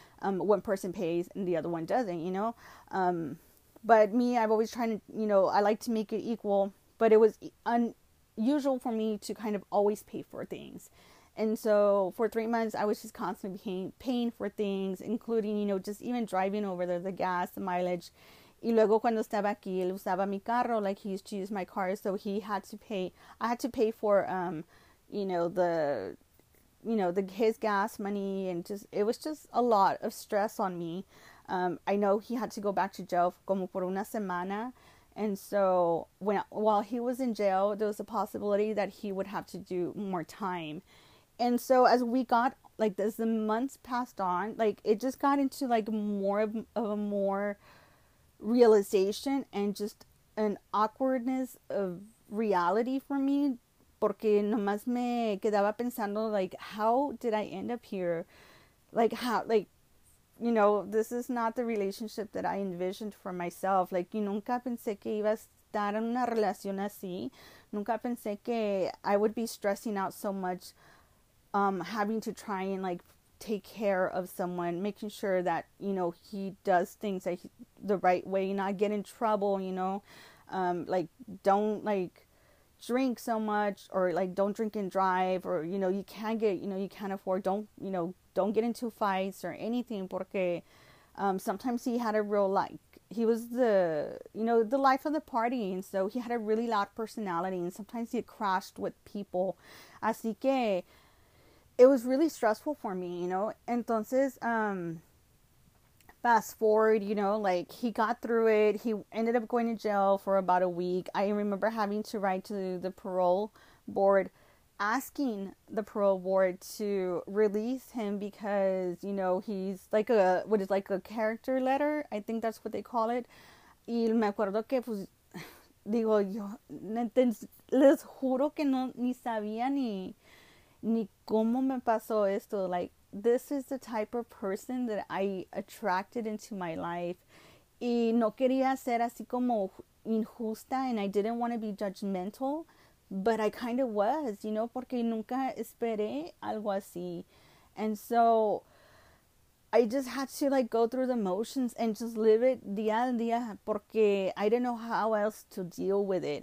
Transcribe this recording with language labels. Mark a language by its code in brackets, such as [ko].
[en] One person pays and the other one doesn't, you know? But me, I've always trying to, you know, I like to make it equal, but it was unusual for me to kind of always pay for things. And so for 3 months, I was just constantly paying for things, including, you know, just even driving over there, the gas, the mileage. [es] Y luego cuando estaba aquí, él usaba mi carro, [en] like he used to use my car. So he had to pay, I had to pay for, you know, the, you know, the, his gas money. And just, it was just a lot of stress on me. I know he had to go back to jail [es] como por una semana. [en] And so when, while he was in jail, there was a possibility that he would have to do more time. And so as we got, like, as the months passed on, like, it just got into, like, more of a more realization and just an awkwardness of reality for me, [es] porque nomás me quedaba pensando, [en] like, how did I end up here? Like, how, like, this is not the relationship that I envisioned for myself. [es] Like, nunca pensé que iba a estar en una relación así. Nunca pensé que [en] I would be stressing out so much, having to try and, like, take care of someone, making sure that, he does things like the right way, not get in trouble, like, don't, like, drink so much, or, like, don't drink and drive, or, you can't get, you can't afford, don't get into fights or anything, porque sometimes he had a real, like, he was the life of the party, and so he had a really loud personality, and sometimes he crashed with people. [es] Así que [en] it was really stressful for me, Entonces, fast forward, like, he got through it. He ended up going to jail for about a week. I remember having to write to the parole board, asking the parole board to release him because, he's like a, what is, like a character letter? I think that's what they call it. [es] Y me acuerdo que, pues, digo, yo, les juro que no, ni sabía ni cómo me pasó esto. [en] Like, this is the type of person that I attracted into my life. [es] Y no quería ser así como injusta, [en] and I didn't want to be judgmental, but I kind of was, [es] porque nunca esperé algo así. [en] And so I just had to, like, go through the motions and just live it [es] día a día, porque [en] I didn't know how else to deal with it.